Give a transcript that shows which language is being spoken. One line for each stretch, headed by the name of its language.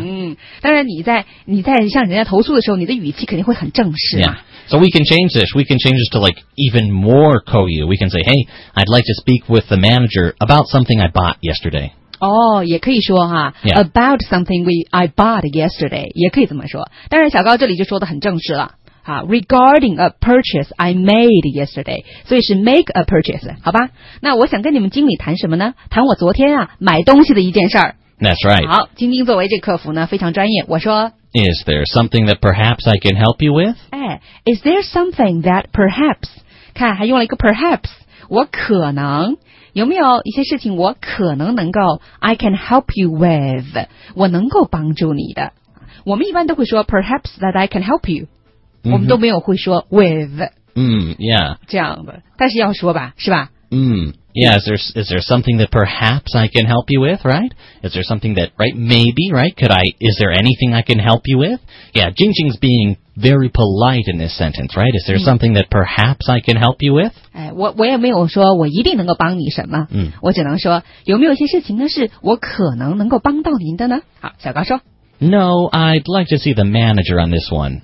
Chinese: 嗯，当然你在向人家投诉的时候，你的语气肯定会很正式嘛。
English: Yeah. So we can change this. We can change this to like even more cold. We can say, hey, I'd like to speak with the manager about something I bought yesterday.
Chinese: 哦、oh, 也可以说哈、
English: yeah. about something I bought yesterday,
Chinese: 也可以这么说。当然小高这里就说得很正式了、啊、
English: regarding a purchase I made yesterday,
Chinese: 所以是
English: make a purchase,
Chinese: 好吧。那我想跟你们经理谈什么呢，谈我昨天啊买东西的一件事儿。
English: That's right.
Chinese: 好，晶晶作为这客服呢非常专业，我说
English: Is there something that perhaps I can help you with? Is there something that perhaps,
Chinese: 看还用了一个 perhaps, 我可能有没有一些事情我可能能够
English: I can help you with,
Chinese: 我能够帮助你的。我们一般都会说
English: perhaps that I can help you,、 mm-hmm.
Chinese: 我们都没有会说 with,、
English: yeah.
Chinese: 这样的，但是要说吧，是吧、
English: yeah, is there something that perhaps I can help you with, right? Is there something that, right, maybe, right, is there anything I can help you with? Yeah, Jingjing's being very polite in this sentence, right? Is there something that perhaps I can help you with?
Chinese: 我也没有说我一定能够帮你什么。我只能说有没有一些事情呢是我可能能够帮到您的呢？好，小高说。
English: No, I'd like to see the manager on this one.